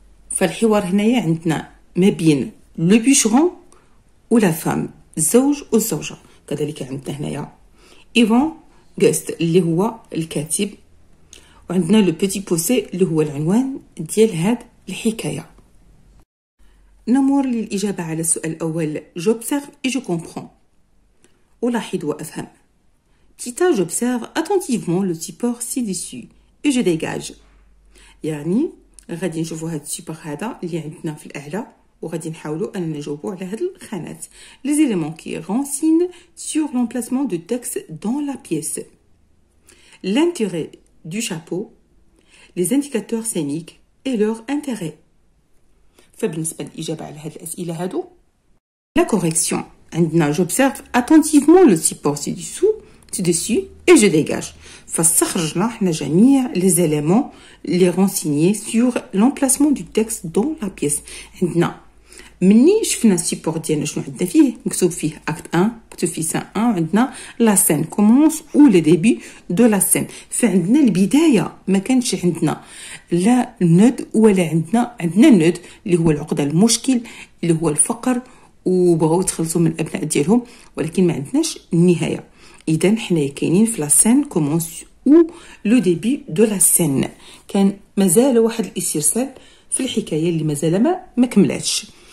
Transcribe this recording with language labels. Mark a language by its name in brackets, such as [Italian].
[Arabic] فالحوار هنايا عندنا ما بين لو بيشرون و لا فام الزوج والزوجه كذلك عندنا هنايا ايفون غوست اللي هو الكاتب وعندنا لو بيتي بوسي اللي هو العنوان ديال هذه الحكايه نمر للاجابه على السؤال الاول [French] جوبسيرف اي جو كومبرون [Arabic] الاحظ وافهم [French] Tita, j'observe attentivement le support ci-dessus et je dégage. [Arabic] يعني غادي نشوفوا هذا السيبور هذا اللي عندنا في الاعلى وغادي نحاولوا اننا نجاوبوا على هذه الخانات [French] les éléments qui renseignent sur l'emplacement du texte dans la pièce. L'intérêt du chapeau, les indicateurs scéniques et leur intérêt. [Arabic] فبالنسبه للاجابه على هذه الاسئله هذو [French] la correction. [Arabic] عندنا [French] j'observe attentivement le support ci-dessous dessus et je dégage. [Arabic] فاستخرجنا حنا جميع [French] les éléments les renseignés sur l'emplacement du texte dans la pièce. [Arabic] عندنا مني شفنا السيبور ديالنا شنو عندنا فيه مكتوب فيه اكت 1 مكتوب فيه سان 1 عندنا لا سين كومونس [French] ou le début de la scène. [Arabic] فعندنا البدايه ما كانتش عندنا لا نود ولا عندنا نود اللي هو العقده المشكل اللي هو الفقر وبغاو يتخلصوا من الابناء ديالهم ولكن ما عندناش النهايه إذن حنا كاينين في [French] لا سين كومونس او لو ديبي دو لا سين [Arabic] كان مازال واحد الاسترسال في الحكايه اللي مازال ما كملاتش